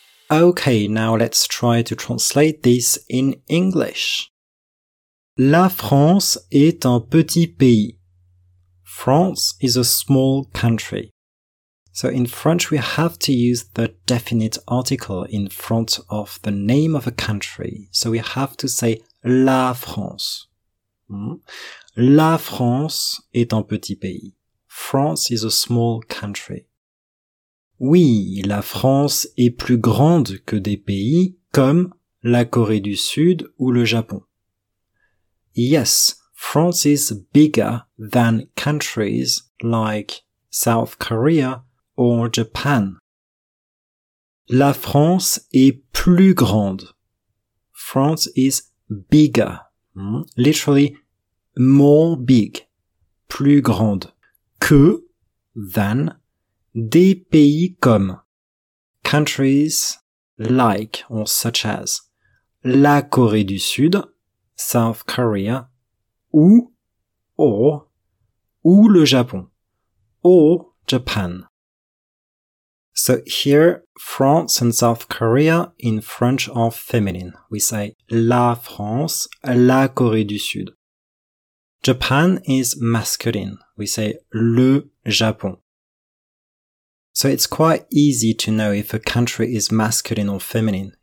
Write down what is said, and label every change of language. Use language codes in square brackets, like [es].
[en] Okay, now let's try to translate this in English. [fr] La France est un petit pays. [en] France is a small country. So in French we have to use the definite article in front of the name of a country. So we have to say [fr] la France. La France est un petit pays. [en] France is a small country. [fr] Oui, la France est plus grande que des pays comme la Corée du Sud ou le Japon. [en] Yes, France is bigger than countries like South Korea or Japan. [fr] La France est plus grande. [en] France is bigger. Literally, more big. [fr] Plus grande. Que, than, des pays comme. [en] Countries like, or such as. [fr] La Corée du Sud, [en] South Korea, [fr] ou le Japon, [en] or Japan. So here, France and South Korea in French are feminine. We say [fr] la France, la Corée du Sud. [en] Japan is masculine. We say [fr] le Japon. [en] So it's quite easy to know if a country is masculine or feminine.